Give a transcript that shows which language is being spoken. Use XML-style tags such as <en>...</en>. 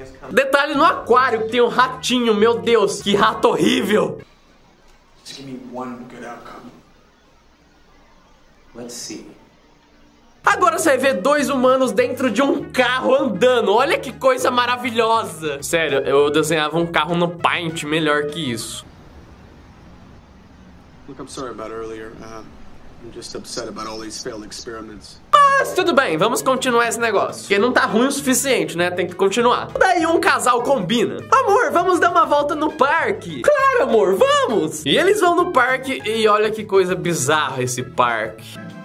<pt>Detalhe no aquário que tem um ratinho, meu Deus, que rato horrível.</pt> <en>Just give me one good outcome. Let's see.</en> <pt>Agora você vai ver dois humanos dentro de um carro andando. Olha que coisa maravilhosa. Sério, eu desenhava um carro no Paint melhor que isso.</pt> <en>Look, I'm sorry about earlier. I'm just upset about all these failed experiments.</en> <pt>Mas tudo bem, vamos continuar esse negócio. Porque não tá ruim o suficiente, né? Tem que continuar. Daí um casal combina. Amor, vamos dar uma volta no parque. Claro, amor, vamos. E eles vão no parque e olha que coisa bizarra esse parque.</pt>